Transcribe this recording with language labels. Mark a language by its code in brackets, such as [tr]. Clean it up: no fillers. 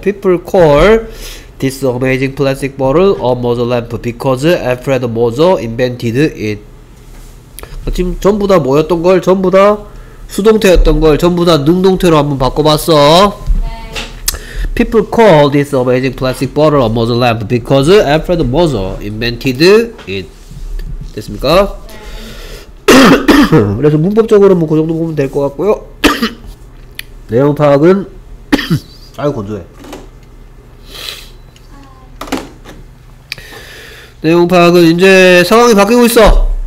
[en] people call this amazing plastic bottle a Moser lamp because Alfred Moser invented it. [ko] 지금 전부 다 뭐였던 걸? 전부 다 수동태였던 걸 전부 다 능동태로 한번 바꿔봤어. [en] People call this amazing plastic bottle a Moser lamp because Alfred Moser invented it. [ko] 됐습니까? 그래서 문법적으로 뭐 그 정도 보면 될 것 같고요. 내용 파악은 아유 건조해. 내용 파악은 이제 상황이 바뀌고 있어.